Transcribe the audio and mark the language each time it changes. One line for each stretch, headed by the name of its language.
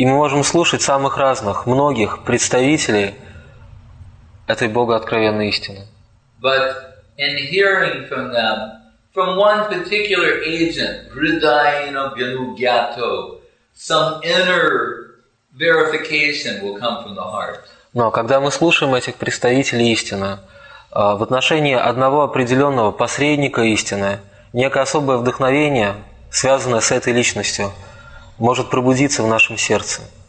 Russian: И мы можем слушать самых разных, многих представителей этой Богооткровенной истины.
English: But in hearing from them, from one particular agent, Hridayena Vyanugyato, some inner verification will come from the heart.
Russian: Но когда мы слушаем этих представителей истины, в отношении одного определенного посредника истины, некое особое вдохновение, связанное с этой личностью, может пробудиться в нашем сердце.